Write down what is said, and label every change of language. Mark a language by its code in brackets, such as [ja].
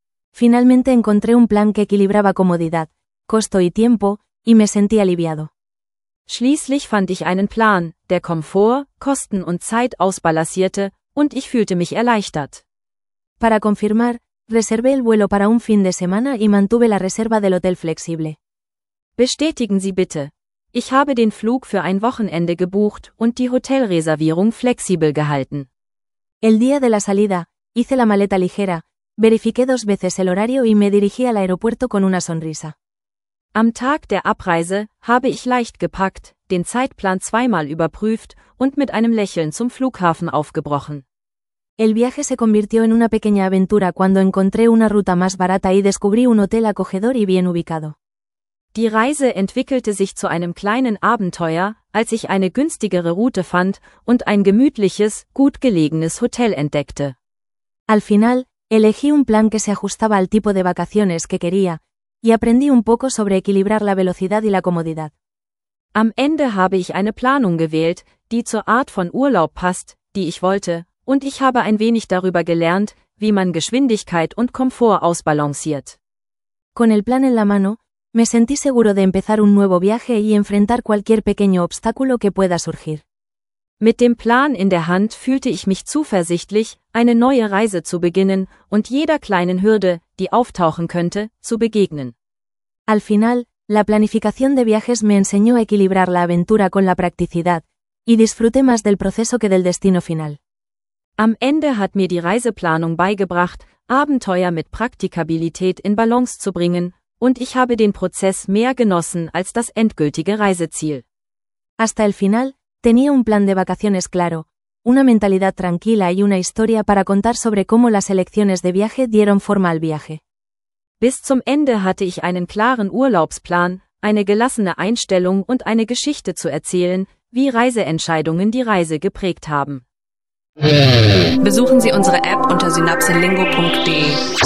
[es] Finalmente encontré un plan que equilibraba comodidad, costo y tiempo, y me sentí aliviado. [de] Schließlich fand ich einen Plan, der Komfort, Kosten und Zeit ausbalancierte, und ich fühlte mich erleichtert. [es] Para confirmar, reservé el vuelo para un fin de semana y mantuve la reserva del hotel flexible. [de] Bestätigen Sie bitte. Ich habe den Flug für ein Wochenende gebucht und die Hotelreservierung flexibel gehalten. [es] El día de la salida, hice la maleta ligera, verifiqué dos veces el horario y me dirigí al aeropuerto con una sonrisa. [de] Am Tag der Abreise habe ich leicht gepackt, den Zeitplan zweimal überprüft und mit einem Lächeln zum Flughafen aufgebrochen. [es] El viaje se convirtió en una pequeña aventura cuando encontré una ruta más barata y descubrí un hotel acogedor y bien ubicado. [de] Die Reise entwickelte sich zu einem kleinen Abenteuer, als ich eine günstigere Route fand und ein gemütliches, gut gelegenes Hotel entdeckte. [es] Al final, elegí un plan que se ajustaba al tipo de vacaciones que quería, y aprendí un poco sobre equilibrar la velocidad y la comodidad. [de] Am Ende habe ich eine Planung gewählt, die zur Art von Urlaub passt, die ich wollte, und ich habe ein wenig darüber gelernt, wie man Geschwindigkeit und Komfort ausbalanciert. [es] Con el plan en la mano, me sentí seguro de empezar un nuevo viaje y enfrentar cualquier pequeño obstáculo que pueda surgir. [de] Mit dem Plan in der Hand fühlte ich mich zuversichtlich, eine neue Reise zu beginnen und jeder kleinen Hürde, die auftauchen könnte, zu begegnen. [es] Al final, la planificación de viajes me enseñó a equilibrar la aventura con la practicidad, y disfruté más del proceso que del destino final. [de] Am Ende hat mir die Reiseplanung beigebracht, Abenteuer mit Praktikabilität in Balance zu bringen, und ich habe den Prozess mehr genossen als das endgültige Reiseziel. [es] Hasta el final, tenía un plan de vacaciones claro, una mentalidad tranquila y una historia para contar sobre cómo las elecciones de viaje dieron forma al viaje. [de] Bis zum Ende hatte ich einen klaren Urlaubsplan, eine gelassene Einstellung und eine Geschichte zu erzählen, wie Reiseentscheidungen die Reise geprägt haben. Besuchen Sie unsere App unter synapsenlingo.de.